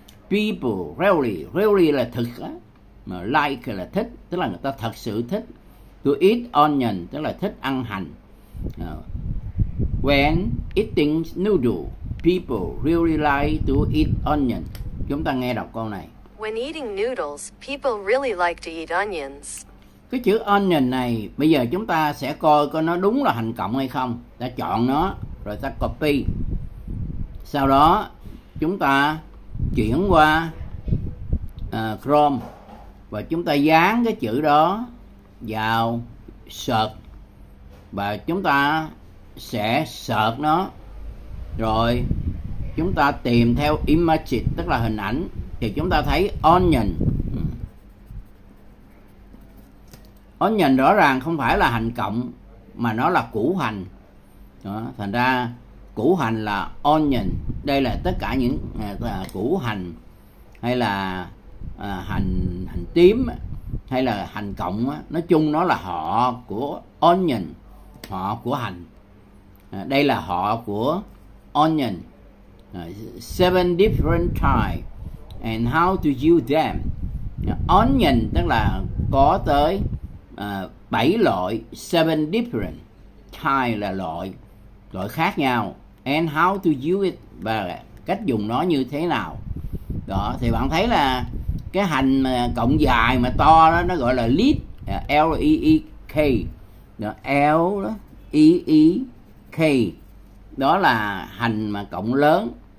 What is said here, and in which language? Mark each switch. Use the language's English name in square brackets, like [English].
[English] People really, really [Vietnamese] là thực á. Mà like là thích, tức là người ta thật sự thích. [English] To eat onion, [Vietnamese] tức là thích ăn hành. [English] When eating noodle, people really like to eat onion. [Vietnamese] Chúng ta nghe đọc câu này. [English] When eating noodles, people really like to eat onions. [Vietnamese] Cái chữ onion này, bây giờ chúng ta sẽ coi nó đúng là hành cộng hay không. Ta chọn nó, rồi ta copy. Sau đó, chúng ta chuyển qua Chrome. Và chúng ta dán cái chữ đó vào search. Và chúng ta sẽ search nó. Rồi, chúng ta tìm theo image, tức là hình ảnh. Thì chúng ta thấy onion. Onion rõ ràng không phải là hành cộng, mà nó là củ hành. Đó, thành ra củ hành là onion. Đây là tất cả những củ hành, hay là hành tím, hay là hành cộng. Nói chung nó là họ của onion, họ của hành. Đây là họ của onion. [English] Seven different types and how to use them. [Vietnamese] Onion tức là có tới 7 loại, [English] 7 different type [Vietnamese] là loại khác nhau, [English] and how to use it, [Vietnamese] và cách dùng nó như thế nào. Đó, thì bạn thấy là cái hành mà cộng dài mà to đó, nó gọi là leek, L-E-E-K, L-E-E-K, đó là hành mà cộng lớn.